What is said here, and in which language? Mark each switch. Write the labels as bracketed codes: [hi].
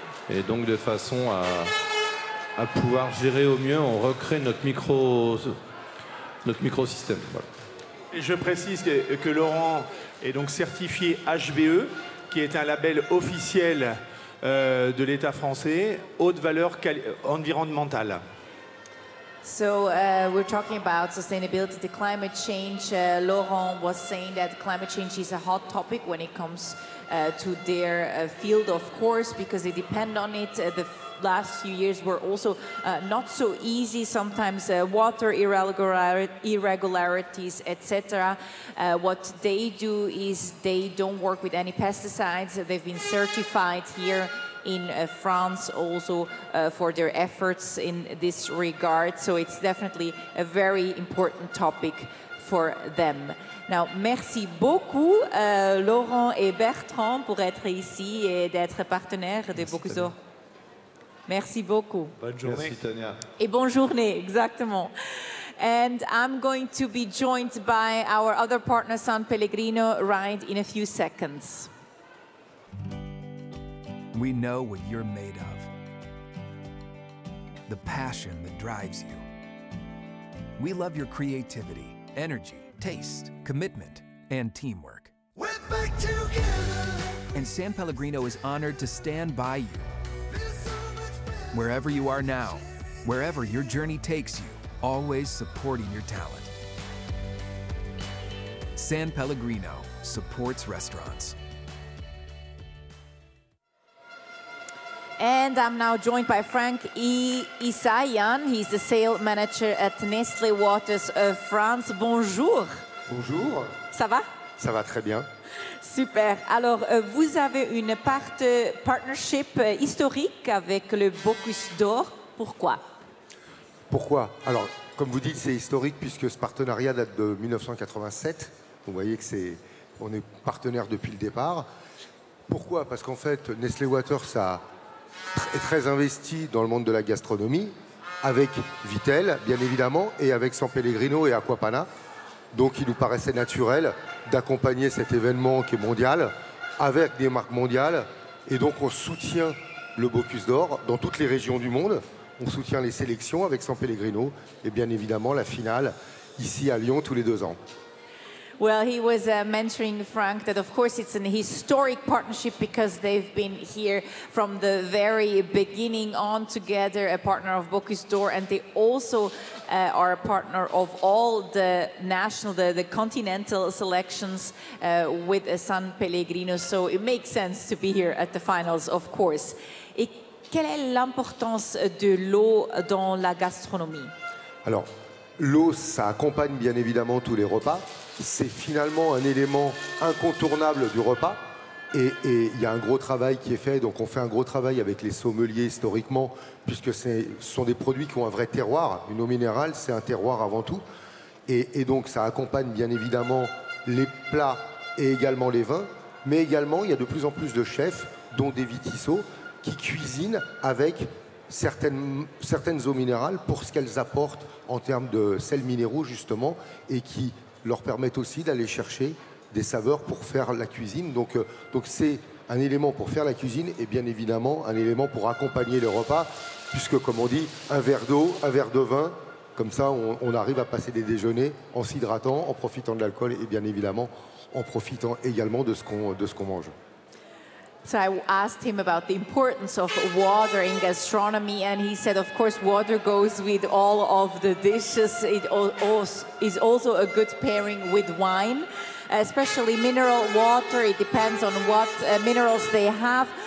[fr] Et donc de façon à pouvoir gérer au mieux, on recrée notre microsystème. Voilà. Et je précise que Laurent est donc certifié HVE, qui est un label officiel de l'État français, haute valeur environnementale. [en] So we're talking about sustainability, the climate change. Laurent was saying that climate change is a hot topic when it comes to their field, of course, because they depend on it. The last few years were also not so easy. Sometimes water irregularities, etc. What they do is they don't work with any pesticides. They've been certified here in France also for their efforts in this regard. So it's definitely a very important topic for them. [fr] Now, merci beaucoup, Laurent et Bertrand, pour être ici et d'être partenaires de Bocuse. Merci beaucoup. Bonne journée. Merci, Tanya. Et bonne journée, exactement. [en] And I'm going to be joined by our other partner, San Pellegrino, right in a few seconds. We know what you're made of. The passion that drives you. We love your creativity, energy, taste, commitment, and teamwork. We're back together! And San Pellegrino is honored to stand by you. So wherever you are now, wherever your journey takes you, always supporting your talent. San Pellegrino supports restaurants. And I'm now joined by Franck Issayan. He's the sales manager at Nestlé Waters of France. [fr] Bonjour. Bonjour. Ça va? Ça va très bien. Super. Alors, vous avez une partnership historique avec le Bocuse d'Or. Pourquoi? Pourquoi? Alors, comme vous dites, c'est historique puisque ce partenariat date de 1987. Vous voyez que c'est, on est partenaire depuis le départ. Pourquoi? Parce qu'en fait, Nestlé Waters a très investi dans le monde de la gastronomie, avec Vittel, bien évidemment, et avec San Pellegrino et Aquapana. Donc, il nous paraissait naturel d'accompagner cet événement qui est mondial, avec des marques mondiales. Et donc, on soutient le Bocuse d'Or dans toutes les régions du monde. On soutient les sélections avec San Pellegrino et bien évidemment la finale ici à Lyon tous les deux ans. [en] Well, he was mentioning, Franck, that of course it's an historic partnership because they've been here from the very beginning on together, a partner of Bocuse d'Or, and they also are a partner of all the national, the continental selections with San Pellegrino. So it makes sense to be here at the finals, of course. [fr] Et quelle est l'importance de l'eau dans la gastronomie? Alors, l'eau, ça accompagne bien évidemment tous les repas. C'est finalement un élément incontournable du repas. Et il y a un gros travail qui est fait. Donc on fait un gros travail avec les sommeliers historiquement, puisque ce sont des produits qui ont un vrai terroir. Une eau minérale, c'est un terroir avant tout. Et donc ça accompagne bien évidemment les plats et également les vins. Mais également, il y a de plus en plus de chefs, dont des vitisseaux, qui cuisinent avec certaines eaux minérales pour ce qu'elles apportent en termes de sels minéraux, justement, et qui leur permettent aussi d'aller chercher des saveurs pour faire la cuisine. Donc c'est un élément pour faire la cuisine et bien évidemment un élément pour accompagner le repas, puisque, comme on dit, un verre d'eau, un verre de vin, comme ça on arrive à passer des déjeuners en s'hydratant, en profitant de l'alcool et bien évidemment en profitant également de ce qu'on mange. [en] So I asked him about the importance of water in gastronomy, and he said, of course, water goes with all of the dishes. It is also a good pairing with wine, especially mineral water. It depends on what minerals they have.